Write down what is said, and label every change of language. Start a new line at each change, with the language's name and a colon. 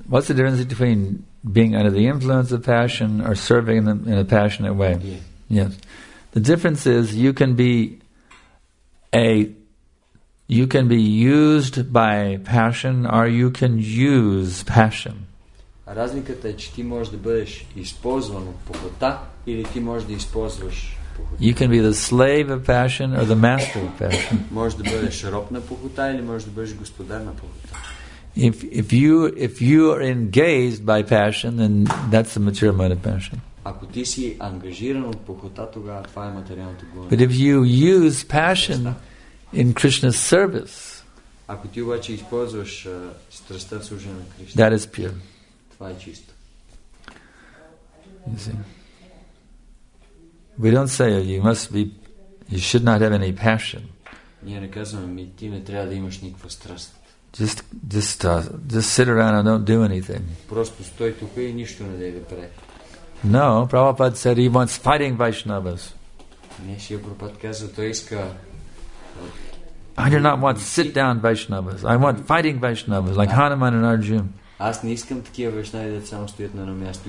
English: What's the difference between being under the influence of passion or serving them in a passionate way? Yeah. Yes. The difference is you can be used by passion or you can use passion.
Bulgarian: Разликата е, че ти можеш да бъдеш използван от похота или ти можеш да използваш похота.
English: You can be the slave of passion or the master of passion.
Bulgarian: Можеш да бъдеш роб на похота или можеш да бъдеш господар на похота.
English: If you are engaged by passion, then that's the material mind of passion.
Bulgarian: Ако ти си ангажиран от похота, тогава това е материалното гонение.
English: But if you use passion in Krishna's service,
Bulgarian: ако ти обаче използваш страстта в служение на Кришна,
English: that is pure.
Bulgarian: Това е чисто.
English: You see. We don't say you should not have any passion.
Bulgarian: Ние не казваме, ти не трябва да имаш никаква страст.
English: Just sit around and don't do anything.
Bulgarian: Просто стой тук и нищо не дей да правиш.
English: No, Prabhupada said he wants fighting Vaishnavas.
Bulgarian: Не, Шрила Прабхупада каза, той иска.
English: I do not want sit down Vaishnavas. I want fighting Vaishnavas, like Hanuman and Arjuna.
Bulgarian: Аз не искам такива Вайшнави да само стоят на едно място.